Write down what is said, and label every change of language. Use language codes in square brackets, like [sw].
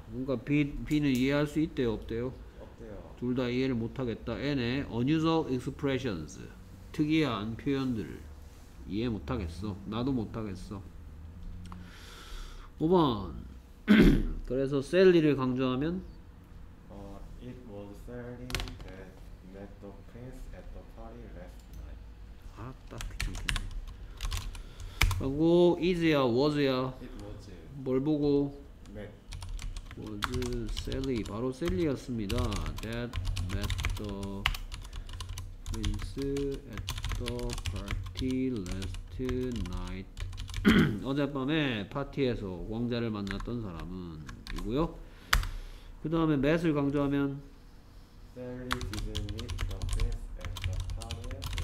[ko] 뭔가 B는 이해할 수 있대요? 없대요? 없대요. 둘 다 이해를 못하겠다. N의 [en] unusual expressions [ko] 특이한 표현들 이해 못하겠어. 나도 못하겠어. 5번 그래서 셀리를 강조하면 [en] It was Sally that met the prince at the party last night. [ko] 아따 귀찮겠네. 하고 is야 was야 [en] It was. [ko] 뭘 보고 [en] Met. Was Sally [ko] 바로 셀리였습니다. [en] That met the prince at the party last night. [ko] 어젯밤에 파티에서 왕자를 만났던 사람은 이고요. 그 다음에 met을 강조하면 [en] Sally didn't meet the prince at the party